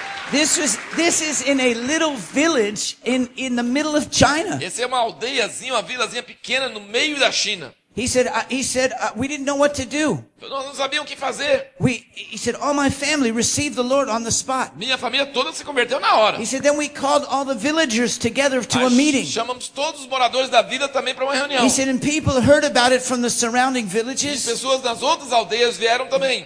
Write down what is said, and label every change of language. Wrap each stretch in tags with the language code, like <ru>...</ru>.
<en>This is in a little village in the middle of China.</en> <pt>Essa é uma aldeiazinha, uma vilazinha pequena no meio da China.</pt> <en>He said, we didn't know what to do.</en> <pt>Nós não sabíamos o que fazer.</pt> <en>He said, all my family received the Lord on the spot.</en> <pt>Minha família toda se converteu na hora.</pt> <en>He said, then we called all the villagers together to a meeting.</en> <pt>Chamamos todos os moradores da vila também para uma reunião.</pt> <en>He said, and people heard about it from the surrounding villages.</en> <pt>E pessoas das outras aldeias vieram também.</pt>